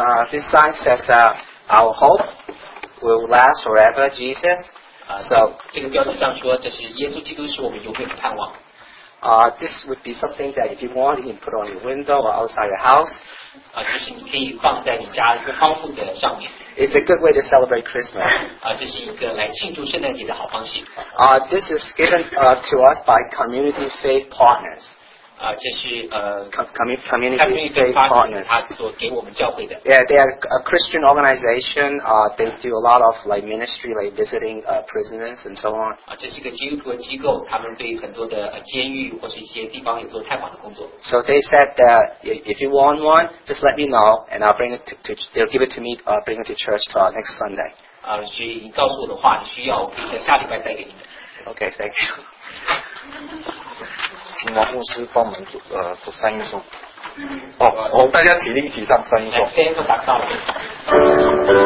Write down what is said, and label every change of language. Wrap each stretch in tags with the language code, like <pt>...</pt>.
<en>This sign says our hope will last forever, Jesus. So</en> <zh>这个标志上说，这是耶稣基督是我们永远的盼望。</zh> <en>This would be something that if you want, you can put on your window or outside your house.</en> <zh>就是你可以放在你家一个窗户的上面。</zh> <en>It's a good way to celebrate Christmas.</en> <zh>这是一个来庆祝圣诞节的好方式。</zh> <en>This is given to us by community faith partners.</en> <zh>这是</zh> <en>community faith partners.</en> <zh>他所给我们教会的。</zh> <en>Yeah, they are a Christian organization. They do a lot of like ministry, like visiting prisoners and so on.</en> <zh>这是一个基督徒机构，他们对很多的监狱或是一些地方有做探访的工作。</zh> <en>So they said that if you want one, just let me know, and I'll bring it to they'll give it to me. Bring it to church to next Sunday.</en> <zh>所以你告诉我的话，你需要，我可以在下礼拜带给你们。</zh> <en>Okay, thank you.</en> <zh>请王牧师帮我们读三英颂。大家起立一起唱三英颂。先打上了。</zh>